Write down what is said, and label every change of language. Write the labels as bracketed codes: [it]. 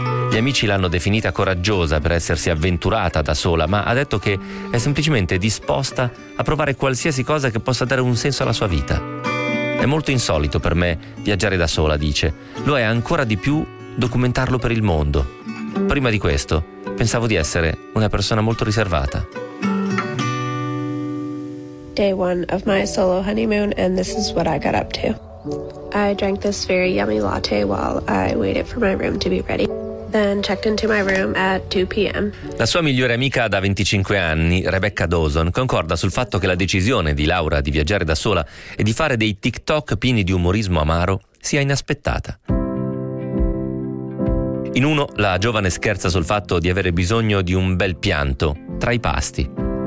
[it] Gli amici l'hanno definita coraggiosa per essersi avventurata da sola, ma ha detto che è semplicemente disposta a provare qualsiasi cosa che possa dare un senso alla sua vita. È molto insolito per me viaggiare da sola, dice. Lo è ancora di più documentarlo per il mondo. Prima di questo, pensavo di essere una persona molto riservata. [en] Day one of my solo honeymoon, and this is what I got up to. I drank this very yummy latte while I waited for my room to be ready. Then checked into my room at 2 p.m. [it] La sua migliore amica da 25 anni, Rebecca Dawson, concorda sul fatto che la decisione di Laura di viaggiare da sola e di fare dei TikTok pieni di umorismo amaro sia inaspettata. In uno, la giovane scherza sul fatto di avere bisogno di un bel pianto tra i pasti.